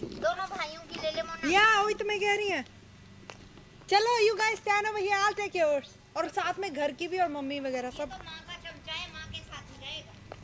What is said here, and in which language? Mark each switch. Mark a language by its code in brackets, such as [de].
[hi] दोनों भाइयों की ले ले मोना. Yeah, वही तो मैं कह रही हूँ. [en] चलो, you guys stand over here. I'll take yours. [hi] और साथ में घर की भी और मम्मी वगैरह सब. ये तो माँ का चमचा है, माँ के साथ में जाएगा.